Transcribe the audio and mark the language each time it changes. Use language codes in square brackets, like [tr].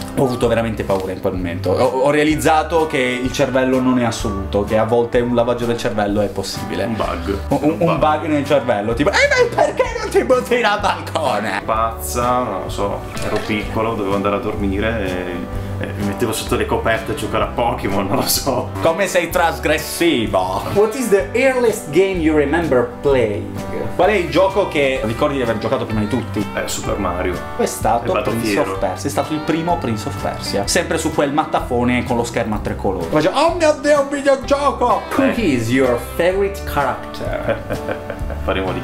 [it] Ho avuto veramente paura in quel momento. Ho realizzato che il cervello non è assoluto, che a volte un lavaggio del cervello è possibile. Un bug. Un bug nel cervello, tipo: e ma perché non ti butti dal balcone? Pazza, non lo so, ero piccolo, dovevo andare a dormire e mi mettevo sotto le coperte a giocare a Pokémon, non lo so. Come sei trasgressivo! [en] What is the earliest game you remember playing? [it] Qual è il gioco che ricordi di aver giocato prima di tutti? Super Mario. È stato Prince of Persia. È stato il primo Prince of Persia. Sempre su quel mattafone con lo schermo a tre colori. Faccio: oh mio Dio, un videogioco! [en] Who is your favorite character? [it] faremo lì.